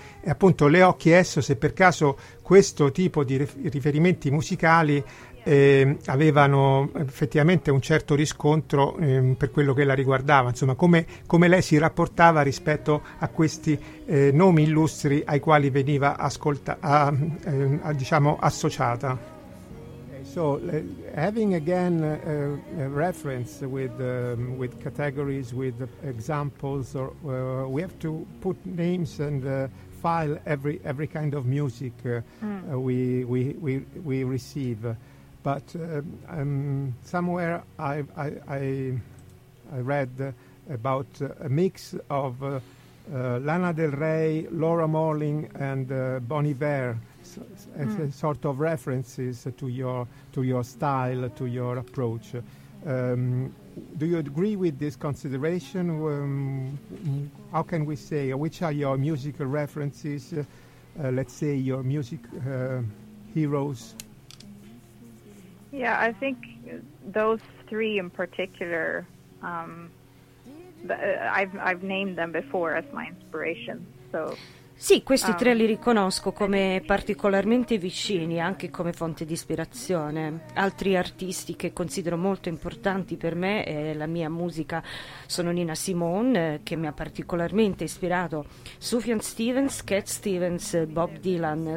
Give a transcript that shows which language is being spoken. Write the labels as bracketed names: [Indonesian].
[Italian] E appunto le ho chiesto se per caso questo tipo di riferimenti musicali avevano effettivamente un certo riscontro per quello che la riguardava, insomma come lei si rapportava rispetto a questi nomi illustri ai quali veniva associata. [English] So having again a reference with categories, with examples, or we have to put names and file every kind of music we receive, but somewhere I read about a mix of Lana Del Rey, Laura Marling, and Bon Iver as a sort of references to your style, to your approach. Do you agree with this consideration? How can we say, which are your musical references, let's say your music heroes? Yeah, I think those three in particular, I've named them before as my inspiration. So [Italian] sì, questi tre li riconosco come particolarmente vicini, anche come fonte di ispirazione. Altri artisti che considero molto importanti per me e la mia musica sono Nina Simone, che mi ha particolarmente ispirato, Sufjan Stevens, Cat Stevens, Bob Dylan.